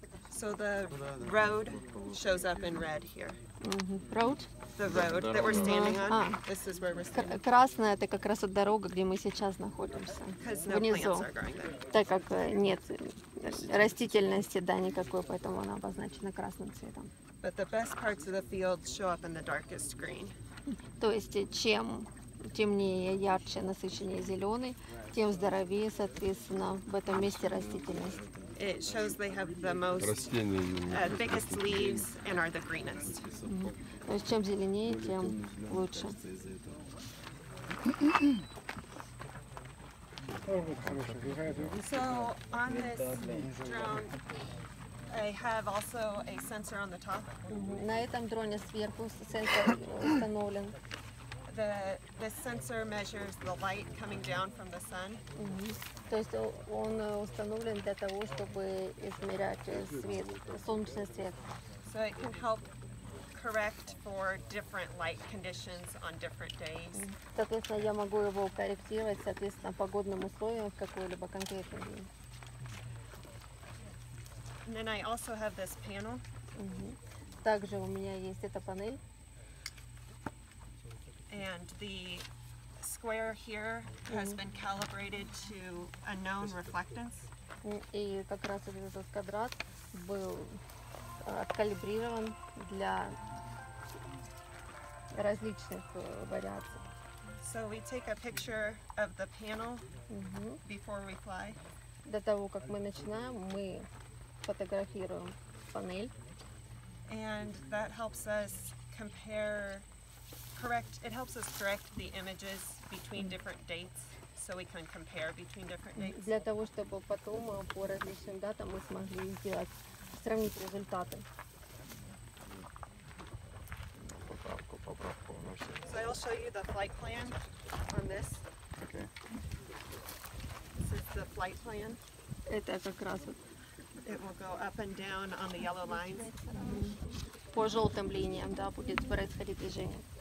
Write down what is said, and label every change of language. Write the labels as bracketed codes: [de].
[en] So the road shows up in red here. Road? The road that we're standing on. This is where we're standing. [ru] Красная — это как раз от дорога, где мы сейчас находимся. Внизу. Так как нет растительности, да, никакой, поэтому она обозначена красным цветом. [en] But the best parts of the field show up in the darkest green. [ru] То есть чем темнее, ярче, насыщеннее зеленый, тем здоровее, соответственно, в этом месте растительность. [en] It shows they have the most biggest leaves and are the greenest. [ru] То есть чем зеленее, тем лучше. [en] So on this drone, I have also a sensor on the top. [ru] На этом дроне сверху сенсор установлен. [en] The sensor measures the light coming down from the sun. [ru] То есть он установлен для того, чтобы измерять свет, солнечный свет. [en] So it can help correct for different light conditions on different days. [ru] Соответственно, я могу его корректировать, соответственно, погодным условиям в какой-либо конкретный день. [en] And then I also have this panel. [ru] Также у меня есть эта панель. [en] And the square here has been calibrated to a known reflectance. [ru] И как раз этот квадрат был откалибрирован для различных вариаций. [en] So we take a picture of the panel before we fly. [ru] До того, как мы начинаем, мы фотографируем панель. [en] And that helps us compare. Correct. It helps us correct the images between different dates, so we can compare between different dates. [ru] Для того, чтобы потом по различным датам мы смогли сделать сравнить результаты. Поправку. [en] So I'll show you the flight plan on this. Okay. This is the flight plan. [ru] Это как раз. [en] It will go up and down on the yellow lines. [ru] По желтым линиям, да, будет происходить движение.